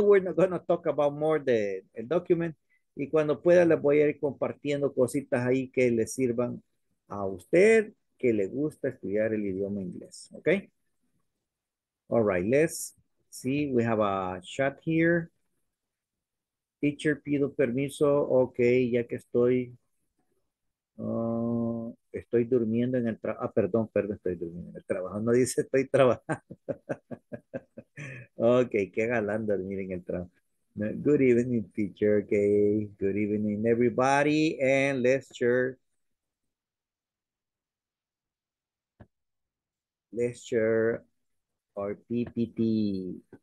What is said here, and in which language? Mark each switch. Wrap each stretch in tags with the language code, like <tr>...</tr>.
<en>We're not going to talk about more the document.</en> <es>Y cuando pueda, les voy a ir compartiendo cositas ahí que les sirvan a usted que le gusta estudiar el idioma inglés,</es> <en>okay? All right, let's see, we have a chat here.</en> <es>Teacher, pido permiso, okay, ya que estoy durmiendo en el trabajo, perdón, estoy durmiendo en el trabajo, no dice estoy trabajando. Okay, qué galán dormir en el trabajo.</es> <en>Good evening, teacher, okay, good evening, everybody, and let's share lecture or PPT.</en>